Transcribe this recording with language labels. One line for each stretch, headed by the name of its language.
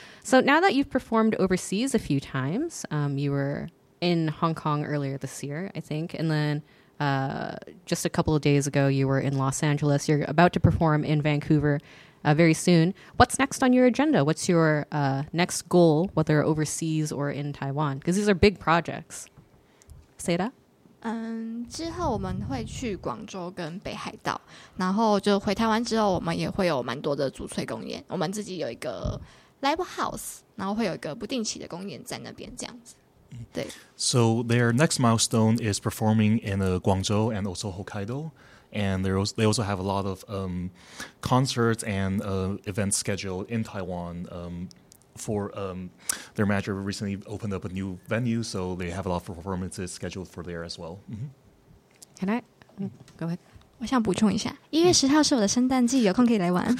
English: So now that you've performed overseas a few times, you were in Hong Kong earlier this year, I think, and then just a couple of days ago, you were in Los Angeles. You're about to perform in Vancouver very soon. What's next on your agenda? What's your next goal, whether overseas or in Taiwan? Because these are big projects. Say that.
Chinese: 之后我们会去广州跟北海道 然后就回台湾之后我们也会有蛮多的主催公演 我们自己有一个live house 然后会有一个不定期的公演在那边这样子 对
English: So their next milestone is performing in Guangzhou and also Hokkaido. And they also have a lot of concerts and events scheduled in Taiwan for their manager recently opened up a new venue, so they have a lot of performances scheduled for there as well. Mm-hmm. Can I? Go ahead.
Chinese: 我想补充一下 1月10号是我的圣诞季 有空可以来玩